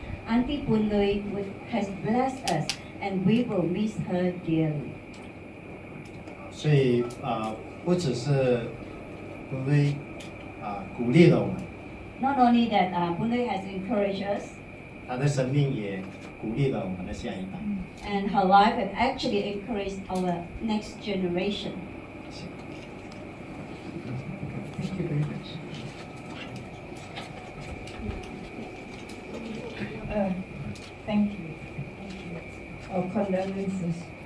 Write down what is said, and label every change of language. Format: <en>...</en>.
<en>Auntie Boon Lui has blessed us and we will miss her dearly.</en> <zh>So, 不只是 Boon Lui鼓励了我们,</zh> <en>not only that Boon Lui has encouraged us,</en> <zh>他的生命也鼓励了我们的下一代,</zh> <en>and her life has actually encouraged our next generation. Thank you very much. Thank you. Thank you. Our condolences.</en>